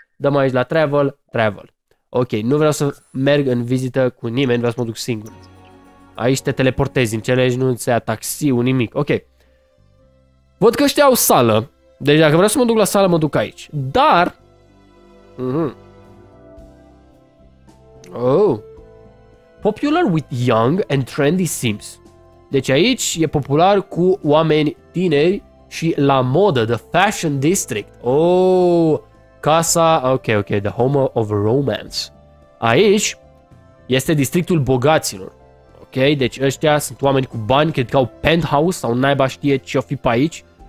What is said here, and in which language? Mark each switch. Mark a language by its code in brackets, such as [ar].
[ro] Dăm aici la travel. Ok, nu vreau să merg în vizită cu nimeni, vreau să mă duc singur. Aici te teleportezi, înțelegi, nu ți-a taxiul, nimic. Ok. Văd că ăștia au sală. Deci dacă vreau să mă duc la sală, mă duc aici. Dar... Oh. [en] Popular with young and trendy Sims. [ro] Deci aici e popular cu oameni tineri și la modă, [en] the fashion district. Oh, [ro] casa, [en] ok, the home of romance. [ro] Aici este districtul bogaților. Ok, deci ăștia sunt oameni cu bani, cred că au penthouse sau naiba știe ce-o fi pe aici.